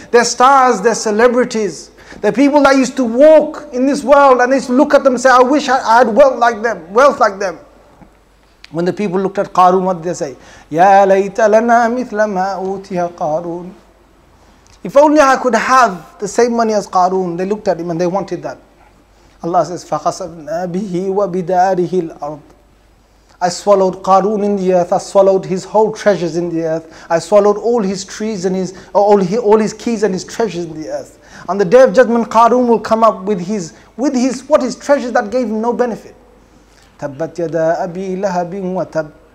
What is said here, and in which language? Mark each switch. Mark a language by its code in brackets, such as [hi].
[en] They're stars, they're celebrities. They're people that used to walk in this world and they used to look at them and say, I wish I had wealth like them. When the people looked at Qarun, what did they say? [ar] Ya layta lana mithla ma utiha Qarun. [en] If only I could have the same money as Qarun. They looked at him and they wanted that. Allah says, [ar] فَخَسَفْنَا بِهِ وَبِدَارِهِ الْأَرْضِ. [en] I swallowed Qarun in the earth. I swallowed his whole treasures in the earth. I swallowed all his trees and all his keys and his treasures in the earth. On the Day of Judgment, Qarun will come up with his treasures that gave him no benefit. [ar] تَبَّتْ يَدَا أَبِي لَهَبٍ وَتَبْ.